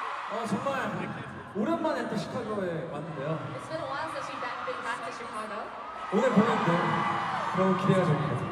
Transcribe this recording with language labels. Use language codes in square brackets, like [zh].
[ko] 어 정말 오랜만에 또 시카고에 왔는데요. [en] It's been a while since we've been back to Chicago. [ko] 오늘 보는데 너무 기대가 됩니다.